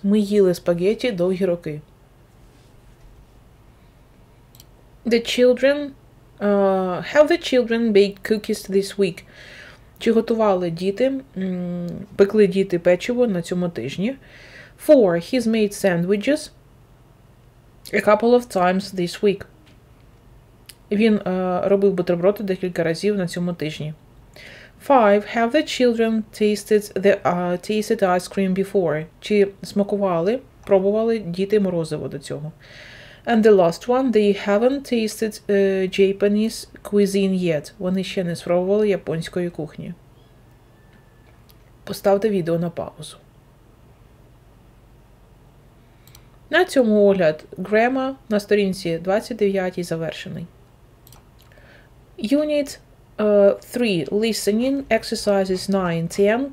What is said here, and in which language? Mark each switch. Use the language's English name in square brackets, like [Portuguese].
[Ukrainian] Ми їли спагетті довгі роки. [English] Have the children baked cookies this week? [Ukrainian] Чи готували діти, пекли діти печиво на цьому тижні? 4. [English] He's made sandwiches a couple of times this week. [Ukrainian] Він робив бутерброди декілька разів на цьому тижні. [English] 5. Have the children tasted ice cream before? [Ukrainian] Чи смакували, пробували діти морозиво до цього? [English] And the last one, they haven't tasted Japanese cuisine yet. [Ukrainian] Вони ще не спробували японської кухні. Поставте відео на паузу. На цьому огляд Grammar на сторінці 29 завершений. [English] Unit 3. Listening. Exercises 9-10.